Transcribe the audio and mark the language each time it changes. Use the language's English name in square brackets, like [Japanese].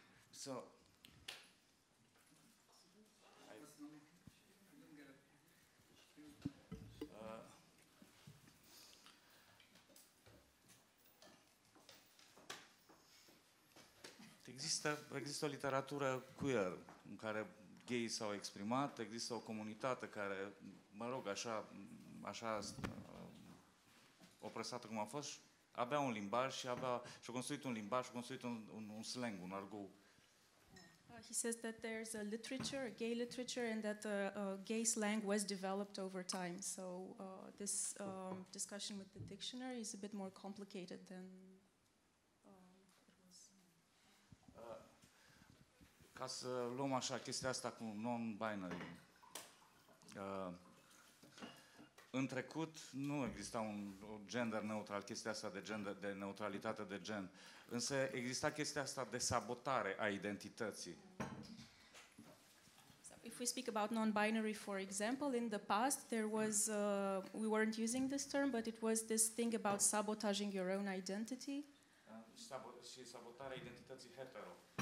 [Romanian] So, există o literatură queer în care gay s-au exprimat, există o comunitate care, mă rog, așa opresată cum a fost, avea un limbaj și și-a construit un limbaj, și-a construit un slang, un argou. [English] He says that there's a literature, a gay literature, and that gay slang was developed over time. So this discussion with the dictionary is a bit more complicated than [Romanian] ca să luăm așa chestia asta cu non-binary. În trecut nu exista un gender neutral, chestia asta de gender, de neutralitate de gen. Însă exista chestia asta de sabotare a identității. [English] So if we speak about non-binary, for example, in the past there was we weren't using this term, but it was this thing about sabotaging your own identity. [Romanian] Și sabotarea identității hetero.